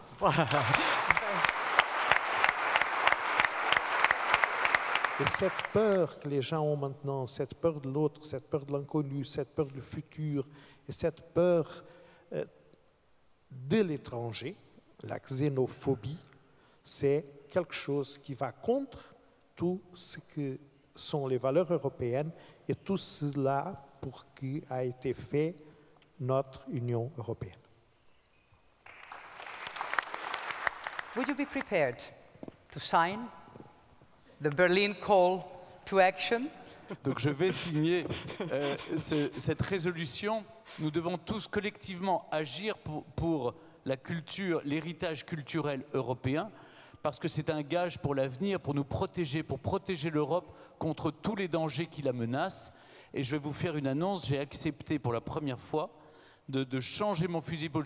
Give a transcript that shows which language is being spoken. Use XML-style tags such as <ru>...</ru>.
<fr>Et cette peur que les gens ont maintenant, cette peur de l'autre, cette peur de l'inconnu, cette peur du futur, et cette peur de l'étranger, la xénophobie, c'est quelque chose qui va contre tout ce que sont les valeurs européennes et tout cela pour qui a été fait notre Union européenne.</fr> <en>Would you be prepared to sign the Berlin call to action?</en> <fr>Donc je vais signer cette résolution. Nous devons tous collectivement agir pour la culture, l'héritage culturel européen, parce que c'est un gage pour l'avenir, pour nous protéger, pour protéger l'Europe contre tous les dangers qui la menacent. Et je vais vous faire une annonce, j'ai accepté pour la première fois de changer mon fusil d'épaule.</fr>